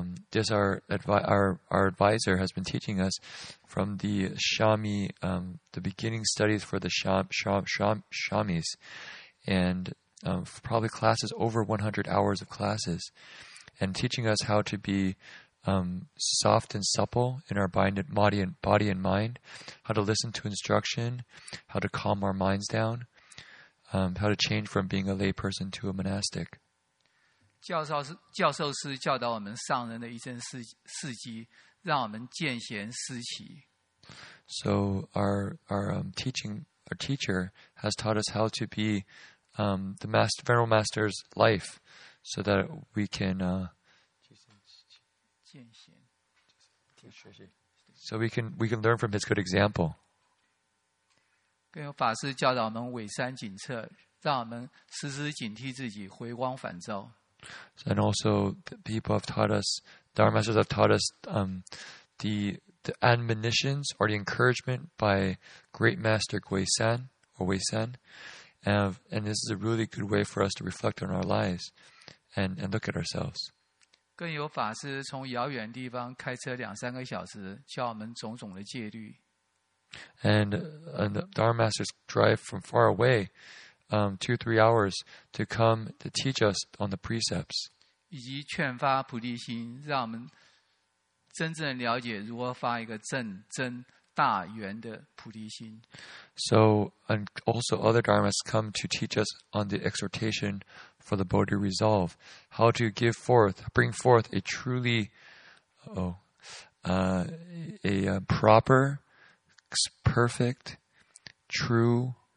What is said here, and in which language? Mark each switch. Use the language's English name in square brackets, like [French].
[English] This our advisor has been teaching us from the Shami, the beginning studies for the Shamis, and probably classes, over 100 hours of classes, and teaching us how to be soft and supple in our body and mind, how to listen to instruction, how to calm our minds down, how to change from being a lay person to a monastic. [Chinese] 教授师教导我们上人的一生事迹，让我们见贤思齐。 [English] So our teacher has taught us how to be the master, venerable master's life, so that we can, so we can learn from his good example. [Chinese] 更有法师教导我们伪山紧测，让我们时时警惕自己，回光返照。 [English] And also, Dharma masters have taught us the admonitions or the encouragement by great master Wei San. And this is a really good way for us to reflect on our lives and look at ourselves. [Chinese] 更有法师从遥远地方开车2-3个小时教我们种种的戒律。 [English] And the Dharma masters drive from far away, 2-3 hours to come to teach us on the precepts. [Chinese] 以及劝发菩提心，让我们真正了解如何发一个正真大圆的菩提心。 [English] So, and also other dharmas come to teach us on the exhortation for the Bodhi resolve, how to bring forth a truly, proper, perfect, true,